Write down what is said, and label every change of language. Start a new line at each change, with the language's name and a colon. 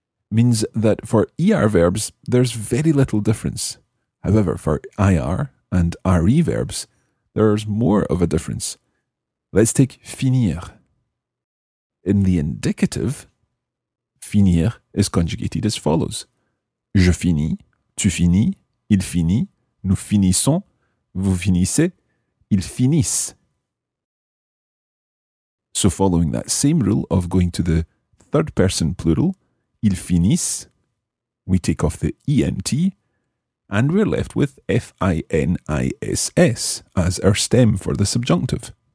English: means that for ER verbs, there's very little difference. However, for IR and RE verbs, there's more of a difference. Let's take finir. In the indicative, finir is conjugated as follows.
French: Je finis, tu finis, il finit, nous finissons, vous finissez, ils finissent.
English: So following that same rule of going to the third person plural,
French: ils finissent,
English: we take off the ENT, and we're left with FINISS as our stem for the subjunctive.